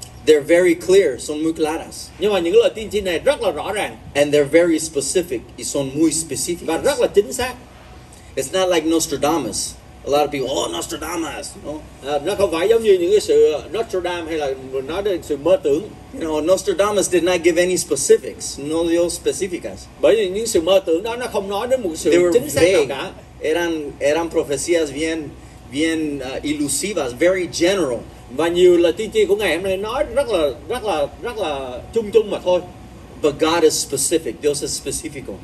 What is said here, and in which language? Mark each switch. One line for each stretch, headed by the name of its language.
English: They're very clear,
Spanish: son muy claras.
Vietnamese: Nhưng mà những lời tiên tri này rất là rõ ràng.
English: And they're very specific,
Spanish: y son muy específicas.
Vietnamese: Và rất là chính xác.
English: It's not like Nostradamus. A lot of people, Nostradamus.
Vietnamese: Nó không phải giống như những cái sự Nostradamus hay là nói đến sự mơ tưởng.
English: You know, Nostradamus did not give any specifics.
Spanish: No dio específicas.
Vietnamese: Bởi vì những sự mơ tưởng đó nó không nói đến một sự chính xác
English: vague.
Vietnamese: Nào cả.
Spanish: Eran profecías bien ilusivas,
English: very general.
Vietnamese: Và nhiều lời tiên tri của ngày hôm nay nói rất là chung chung mà thôi.
English: But God is specific.
Spanish: Dios es específico.